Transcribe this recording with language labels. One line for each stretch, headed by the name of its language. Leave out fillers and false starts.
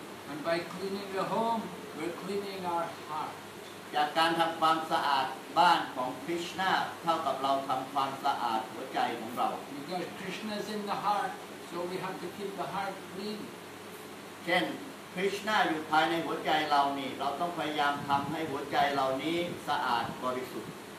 English: And by cleaning the home, we're cleaning our heart.
Thai: จากการทำความสะอาดบ้านของ Krishna เท่ากับเราทำความสะอาดหัวใจของเรา
English: Because Krishna is in the heart, so we have to keep the heart clean.
Thai: เช่น Krishna อยู่ภายในหัวใจเรานี่เราต้องพยายามทำให้หัวใจเรานี้สะอาดบริสุทธิ์